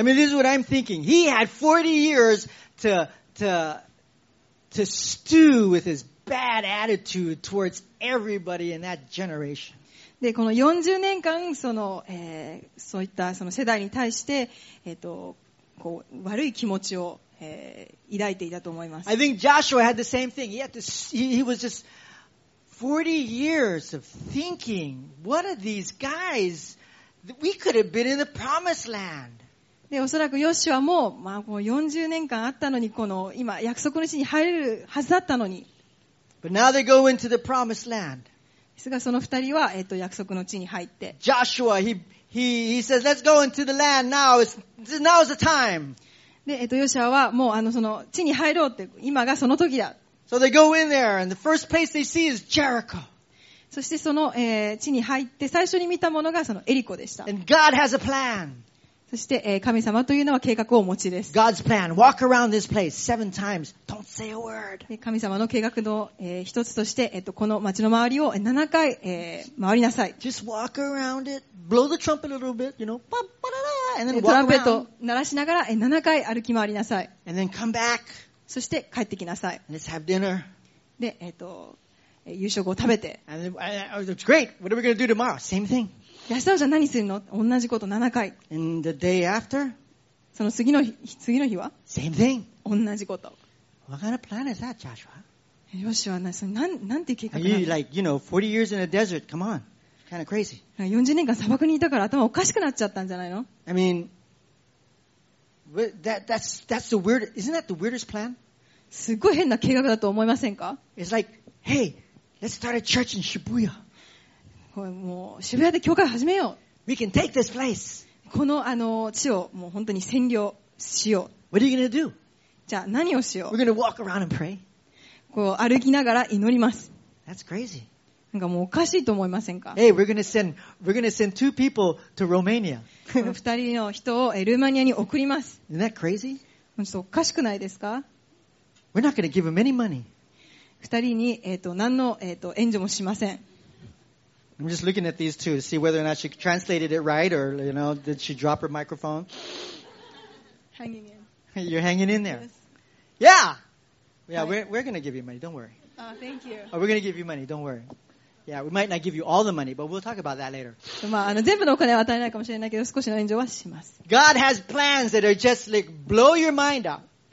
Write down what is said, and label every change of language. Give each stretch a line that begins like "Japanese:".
English: I mean, this is what I'm thinking. He had 40 years to stew with his bad attitude towards everybody in that generation.
Japanese: でこの40年間その、そういったその世代に対して、こう悪い気持ちを、抱いていたと思います。
English: I think Joshua had the same thing. He was just 40 years of thinking, what are these guys? We could have been in the promised land.
Japanese: で、おそらくヨシュアも、まあ、もう40年間あったのに、この、今、約束の地に入れるはずだったのに。
English: But now they go into the promised land.
Japanese: ですが、その二人は、約束の地に入って。
English: Joshua, he says, let's go into the land now. Now's the time.
Japanese: で、ヨシュアは、もう、その、地に入ろうって、今がその時だ。
English: So they go in there, and the first place they see is Jericho.
Japanese: そしてその、地に入って最初に見たものがそのエリコでした。
English: And God has a plan.
Japanese: そして、神様というのは計画をお持ちです。
English: God's plan. Walk around this place seven times. Don't say a word.
Japanese: 神様の計画の、一つとして、この街の周りを7回、回りなさい。
English: Just walk around it. Blow the trumpet a little bit, you know. パッパララー!And then walk around.
Japanese: トランペット鳴らしながら、7回歩き回りなさい。
English: And then come back.
Japanese: そして帰ってきなさい。
English: Let's have dinner.
Japanese: で、夕食を食べて。
English: Great! What are we going to do tomorrow? Same thing.
Japanese: 明日はじゃ何するの?同じこと7回。
English: And the day after?
Japanese: その次の日、次の日は?
English: Same thing.
Japanese: 同じこと。
English: What kind of plan is that, Joshua?
Japanese: ヨシュア、なんて計画なの?
English: You like, you know, 40 years in a desert, come on. Kind of crazy.
Japanese: 40年間砂漠にいたから頭おかしくなっちゃったんじゃないの?
English: I mean,That's the weird, isn't that the weirdest plan?
Japanese: すごい変な計画だと思いませんか?
English: It's like, hey, let's start a church in Shibuya.
Japanese: もう渋谷で教会始めよう。
English: We can take this place.
Japanese: この、あの、地をもう本当に占領しよう。
English: What are you gonna do?
Japanese: じゃあ何をしよう?
English: We're gonna walk around and pray.
Japanese: こう歩きながら祈ります。
English: That's crazy.
Japanese: なんかもうおかしいと思いませんか?
English: Hey, we're gonna send two people to Romania.
Japanese: 二人の人をルーマニアに送ります。
English: Isn't that crazy?
Japanese: ちょっとおかしくないですか?
English: We're not gonna give them any money.
Japanese: 二人に、何の、援助もしません。
English: I'm just looking at these two to see whether or not she translated it right or, you know, did she drop her microphone? Hanging in. You're hanging in there. Yes. Yeah! Yeah, we're going to give you money. Don't worry. Thank you. Oh, we're going to give you money. Don't worry. Yeah, we might not give you all the money, but we'll talk about that later. God has plans that are just like blow your mind up.